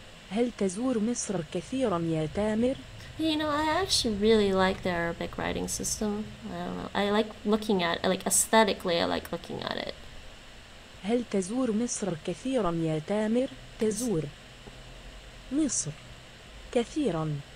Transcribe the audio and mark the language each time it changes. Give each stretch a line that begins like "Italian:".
Arabic: هل تزور مصر كثيرا يا تامر؟
English: You know, I actually really like the Arabic writing system. I don't know. I like looking at it. Like, aesthetically, I like looking at it.
Arabic: هل تزور مصر كثيرا يا تامر؟ تزور مصر كثيرا.